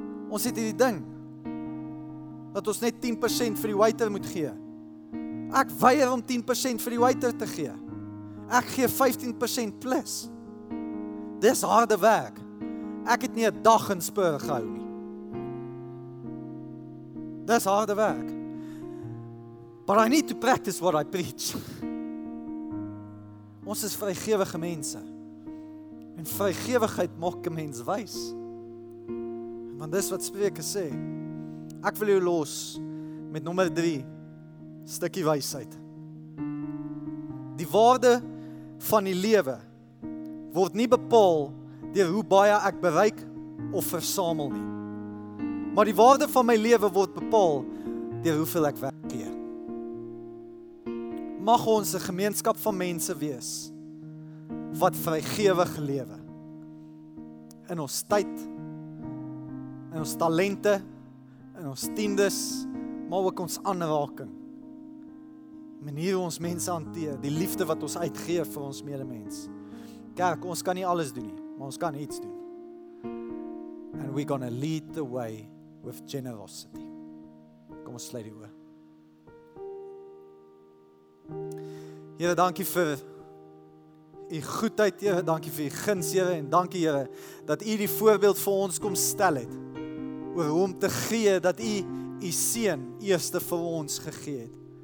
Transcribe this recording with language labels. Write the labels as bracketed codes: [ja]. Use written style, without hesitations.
[af] Ons het hierdie ding, dat ons net 10% vir die waiter moet gee. Ek weier om 10% vir die waiter te gee. Ek gee 15% plus. Dis harde werk. Ek het nie 'n dag in Spur gehou nie. Dis harde werk. [en] But I need to practice what I preach. [af] Ons is vrygewige mense. En vrygewigheid maak 'n mens wys. Want dis wat Spreuke sê. Ek wil jou los met nommer 3. Stukkie wysheid. Die waarde van die lewe word nie bepaal deur hoe baie ek bereik of versamel nie. Maar die waarde van my lewe word bepaal deur hoeveel ek werkgee. Mag ons 'n gemeenskap van mense wees wat vrygewig lewe. In ons tyd, in ons talente, in ons tiendes, maar ook ons aanraking. Manier hoe ons mense hanteer, die liefde wat ons uitgee vir ons medemens. Kerk, ons kan nie alles doen nie, maar ons kan iets doen. [en] And we're gonna lead the way with generosity. [af] Kom ons sluit die oë. Here, dankie vir u goedheid, Here, dankie vir u guns, Here, en dankie, Here, dat u die voorbeeld vir ons kom stel het, oor hoe om te gee, dat u u seun eerste vir ons gegee het.